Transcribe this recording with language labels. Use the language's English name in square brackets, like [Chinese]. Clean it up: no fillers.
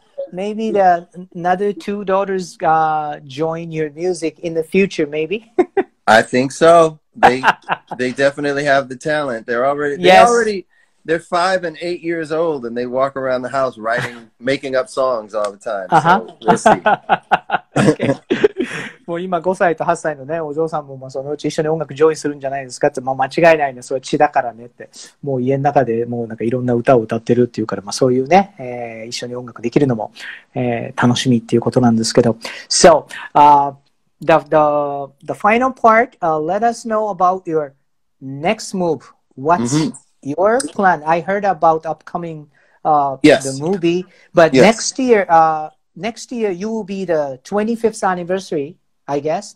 [English] Maybe another two daughters、join your music in the future, maybe. I think so. They definitely have the talent. They're 5 and 8 years old, and they walk around the house writing, making up songs all the time. So we'll see. [Japanese] もう今5歳と8歳のね、お嬢さんもまあそのうち一緒に音楽上位するんじゃないですかって、まあ、間違いないね、それは血だからねって、もう家の中でもうなんかいろんな歌を歌ってるっていうから、まあ、そういうね、一緒に音楽できるのも、楽しみっていうことなんですけど。 [English] So, the final part,、let us know about your next move. What's、mm-hmm. Your plan. I heard about upcoming the movie, but next year you will be the 25th anniversary, I guess.